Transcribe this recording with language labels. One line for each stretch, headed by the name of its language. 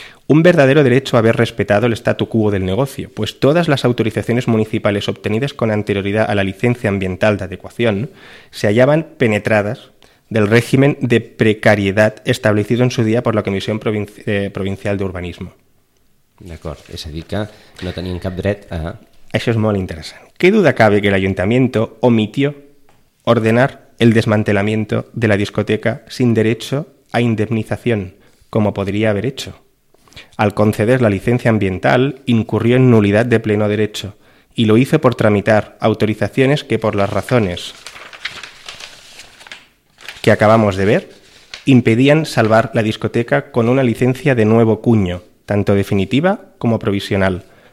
Spanish: un verdadero derecho a haber respetado el statu quo del negocio, pues todas las autorizaciones municipales obtenidas con anterioridad a la licencia ambiental de adecuación se hallaban penetradas del régimen de precariedad establecido en su día por la Comisión Provincial de Urbanismo.
Catalan: D'acord, és a dir que no tenien cap dret a... Això és molt interessant.
Spanish: ¿Qué duda cabe que el ayuntamiento omitió ordenar el desmantelamiento de la discoteca sin derecho a indemnización, como podría haber hecho? Al conceder la licencia ambiental, incurrió en nulidad de pleno derecho y lo hizo por tramitar autorizaciones que, por las razones que acabamos de ver, impedían salvar la discoteca con una licencia de nuevo cuño, tanto definitiva como provisional.